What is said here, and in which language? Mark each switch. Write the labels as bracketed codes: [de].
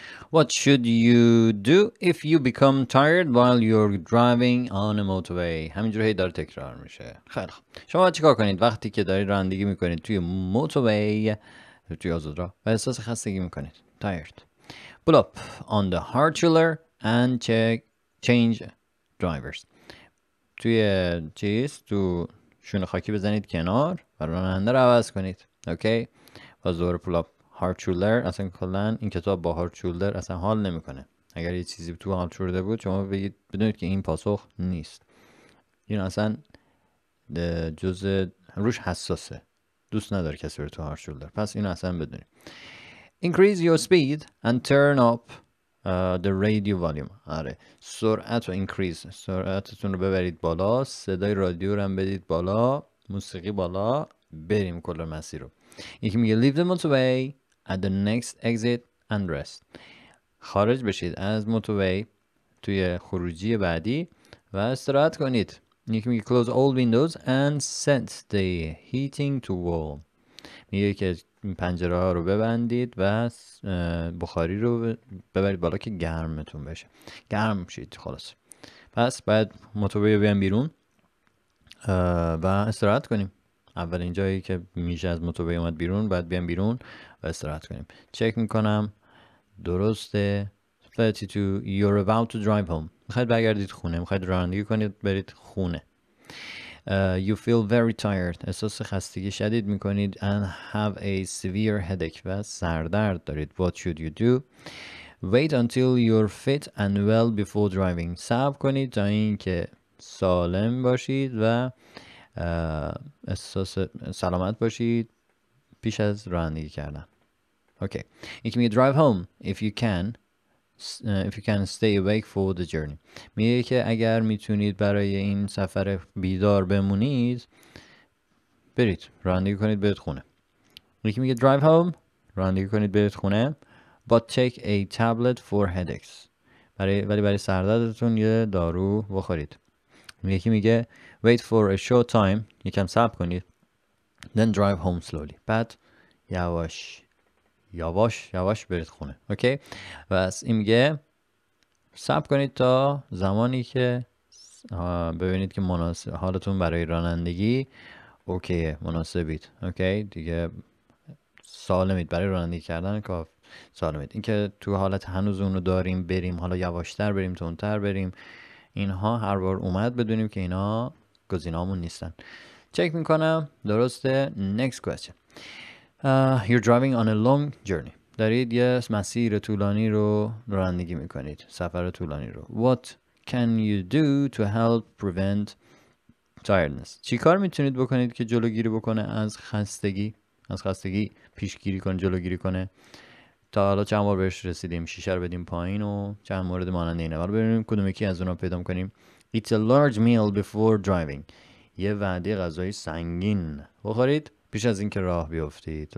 [en] What should you do if you become tired while you're driving on a motorway? [fa] همینجوری داره تکرار میشه. خیلی خب. شما چیکار کنید وقتی که دارید رانندگی میکنید توی motorway توی آزادراه و احساس خستگی میکنید؟ [en] Tired. Pull up on the hard shoulder and change drivers. [fa] توی چیز تو شونه خاکی بزنید کنار و راننده رو عوض کنید. اوکی؟ و زور پول اپ هارد شولدر، اصلا کلن این کتاب با هارد شولدر اصلا حال نمیکنه. اگر یه چیزی تو هارد شولدر بود شما بگید، بدونید که این پاسخ نیست. این اصلا جز روش حساسه، دوست نداره کسی رو تو هارد شولدر، پس این اصلا بدونید. [en] Increase your speed and turn up the radio volume. [fa] آره، سرعت رو increase، سرعتتون رو ببرید بالا، صدای رادیو رو هم بدید بالا، موسیقی بالا، بریم کل مسیر رو. یکی میگه [en] leave the motorway at the next exit and rest. [fa] خارج بشید از motorway توی خروجی بعدی و استراحت کنید. یکی میگه [en] close all windows and set the heating to wall. [fa] میگه که پنجره ها رو ببندید و بخاری رو ببرید بالا که گرمتون بشه، گرم شید خلاص. پس باید motorway رو بیان بیرون و استراحت کنیم. اول اینجایی که میشه از motorway اومد بیرون، بعد بیام بیرون و استراحت کنیم. چک میکنم درسته. [en] 32 you're about to drive home. [fa] میخواید بگردید خونه، میخواید رانندگی کنید برید خونه. [en] You feel very tired. [fa] احساس خستگی شدید میکنید. [en] And have a severe headache. [fa] و سردرد دارید. [en] What should you do? Wait until you're fit and well before driving. [fa] صبر کنید تا اینکه سالم باشید و احساس سلامت باشید پیش از رانندگی کردن. [en] Okay. You can drive home if you can. If you can stay awake for the journey. [fa] میگه که اگر میتونید برای این سفر بیدار بمونید برید رانندگی کنید برید خونه. یکی میگه [en] drive home، [fa] رانندگی کنید برید خونه. [en] But take a tablet for headaches. [fa] ولی برای سردردتون یه دارو بخورید. یکی میگه [en] wait for a short time، [fa] یکم صبر کنید. [en] Then drive home slowly. [fa] بعد یواش یواش یواش برید خونه. اوکی؟ بس این میگه صبر کنید تا زمانی که ببینید که مناسب حالتون برای رانندگی اوکیه، مناسبید. اوکی؟ دیگه سالمید برای رانندگی کردن، کاف سالمید. اینکه تو حالت هنوز اونو داریم بریم، حالا یواشتر بریم، تونتر بریم، اینها هر بار اومد بدونیم که اینا گزینامون نیستن. چک میکنم درسته. [en] Next question. You're driving on a long journey. [fa] دارید یه مسیر طولانی رو رانندگی میکنید، سفر طولانی رو. [en] What can you do to help prevent tiredness? [fa] چی کار میتونید بکنید که جلوگیری بکنه از خستگی، از خستگی پیشگیری کنه، جلوگیری کنه؟ تا حالا چند بار بهش رسیدیم؟ شیشه رو بدیم پایین و چند مورد مانند اینه. حالا ببینیم کدوم یکی از اونا پیدا کنیم. [en] It's a large meal before driving. [fa] یه وعده غذایی سنگین بخورید پیش از اینکه راه بیافتید.